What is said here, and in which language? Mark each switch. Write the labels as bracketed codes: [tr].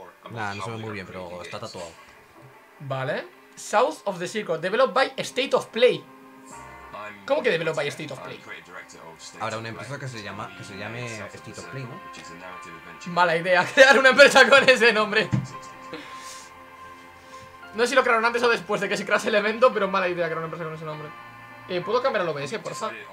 [es] Nah, no se ve muy bien, pero está tatuado. Vale. [en] South of the Circle, developed by State of Play. [es] ¿Cómo que [en] developed by [es] State of Play? Habrá una empresa que se llame State of Play, ¿no? Mala idea, crear una empresa con ese nombre. No sé si lo crearon antes o después de que se crease el evento, pero mala idea crear una empresa con ese nombre. ¿Puedo cambiar al OBS, porfa?